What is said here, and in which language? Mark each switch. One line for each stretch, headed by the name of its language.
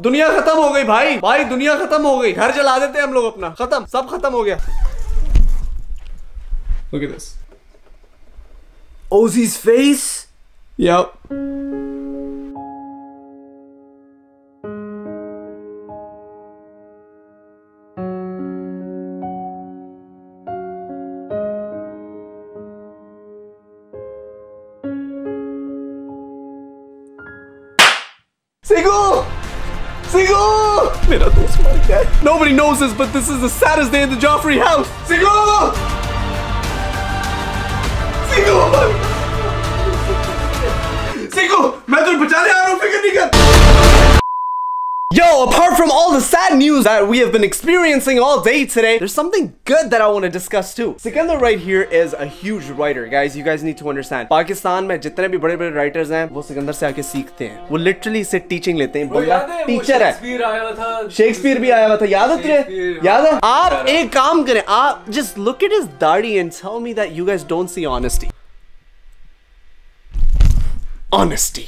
Urdu: دنیا ختم ہو گئی، بھائی۔ بھائی، دنیا ختم ہو گئی۔ گھر جلا دیتے ہم لوگ اپنا۔ ختم۔ سب ختم ہو گیا۔
English: Look at this. Ozzy's face? Yep. Sigo! Sigo! Nobody knows this, but this is the saddest day in the Joffrey house! Sigo! Sigo! Sigo!
Urdu: میں تجھے بچانے آ رہا ہوں، فکر نہیں کر!
English: Yo, apart from all the sad news that we have been experiencing all day today, there's something good that I want to discuss too. Sikandar right here is a huge writer, guys. You guys need to understand.
Urdu: Pakistan میں جتنے بھی بڑے writers ہیں، وہ سکندر سے آکے سیکھتے ہیں۔ وہ literally سے teaching لیتے ہیں۔ बंदा teacher है। Shakespeare आया था। شیکسپیئر بھی آیا تھا۔ یاد ہے تجھے؟ یاد ہے؟ آپ ایک کام کرے۔
English: Aap just look at his daadi and tell me that you guys don't see honesty. Honesty.